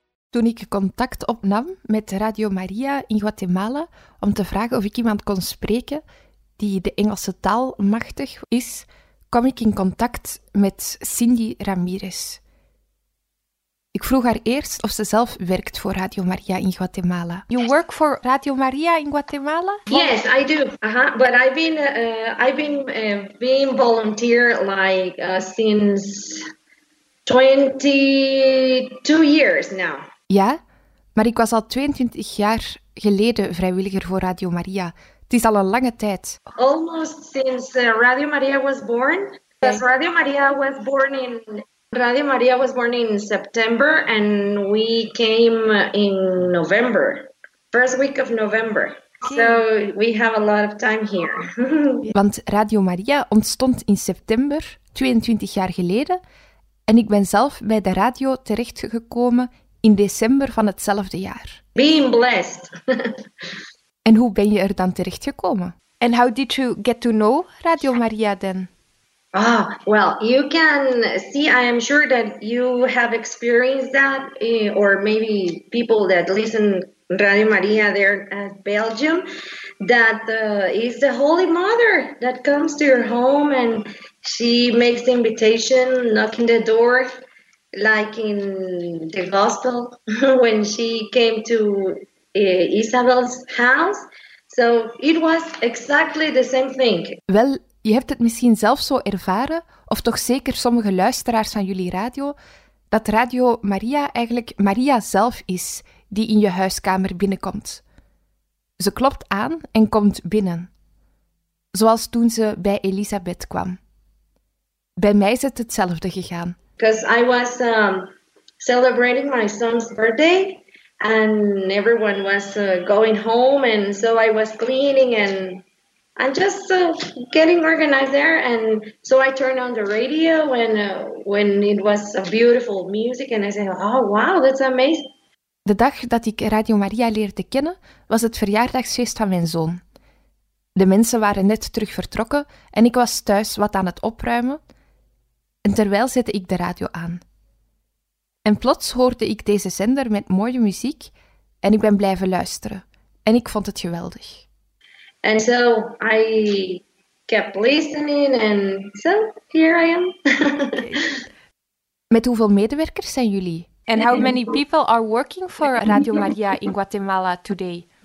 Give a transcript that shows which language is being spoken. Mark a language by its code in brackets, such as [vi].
[nl] Toen ik contact opnam met Radio Maria in Guatemala om te vragen of ik iemand kon spreken die de Engelse taal machtig is, kwam ik in contact met Cindy Ramirez. Ik vroeg haar eerst of ze zelf werkt voor Radio Maria in Guatemala. [en] You work for Radio Maria in Guatemala? Yes, I do. Uh-huh. But I've been volunteer like since 22 years now. [nl] Ja, maar ik was al 22 jaar geleden vrijwilliger voor Radio Maria. Het is al een lange tijd. [en] Almost since Radio Maria was born. Because Radio Maria was born in September and we came in November. First week of November. So we have a lot of time here. [nl] Want Radio Maria ontstond in september, 22 jaar geleden. En ik ben zelf bij de radio terechtgekomen in december van hetzelfde jaar. [en] Being blessed. [nl] En hoe ben je er dan terechtgekomen? [en] And how did you get to know Radio Maria then? Ah, well, you can see, I am sure that you have experienced that, or maybe people that listen Radio Maria there at Belgium, that is the Holy Mother that comes to your home and she makes the invitation, knocking the door. Like in the gospel, when she came to Isabel's house. So it was exactly the same thing. [nl] Wel, je hebt het misschien zelf zo ervaren, of toch zeker sommige luisteraars van jullie radio, dat Radio Maria eigenlijk Maria zelf is die in je huiskamer binnenkomt. Ze klopt aan en komt binnen. Zoals toen ze bij Elisabeth kwam. Bij mij is het hetzelfde gegaan. [en] Because I was celebrating my son's birthday and everyone was going home. And so I was cleaning and I'm just getting organized there. And so I turned on the radio when it was a beautiful music. And I said, oh, wow, that's amazing. [nl] De dag dat ik Radio Maria leerde kennen, was het verjaardagsfeest van mijn zoon. De mensen waren net terug vertrokken en ik was thuis wat aan het opruimen. En terwijl zette ik de radio aan. En plots hoorde ik deze zender met mooie muziek en ik ben blijven luisteren. En ik vond het geweldig. [en] And so I kept listening and so here I am. [nl] Met hoeveel medewerkers zijn jullie? [en] And how many people are working for Radio Maria in Guatemala today?